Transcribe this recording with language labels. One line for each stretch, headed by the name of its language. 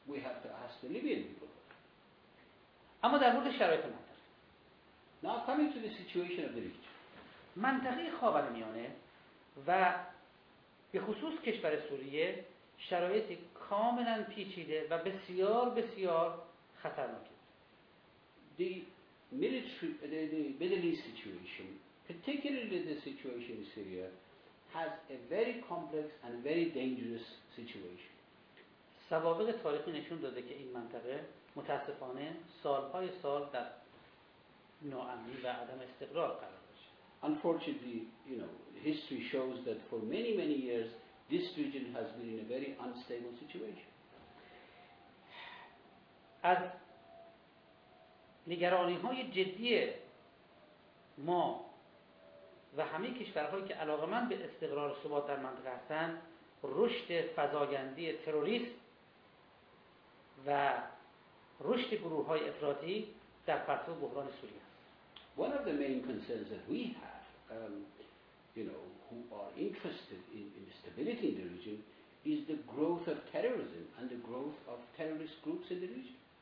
English: We have to ask the Libyan people.
Persian: اما در مورد شرایط منطقه.
English: Now coming to the situation of the region.
Persian: منطقه خاورمیانه و به خصوص کشور سوریه شرایطی کاملا پیچیده و بسیار بسیار خطرناک است.
English: The military, the Middle East situation, particularly the situation in Syria, has a very complex and very dangerous situation.
Persian: سوابق تاریخی نشون داده که این منطقه متاسفانه سالهای سال در ناامنی و عدم استقرار قرار داشت.
English: Unfortunately, you know, history shows that for many, many years this region has been in a very unstable situation.
Persian: از نگرانی‌های جدی ما و همه کشورهایی که علاقمند به استقرار و ثبات در منطقه هستند، رشد فزاینده تروریسم و رشد گروه‌های افراطی در پرتو بحران سوریه است.
English: One of the main concerns that we have, you know, who are interested in stability in the region, is the growth of terrorism and the growth of terrorist groups in the region.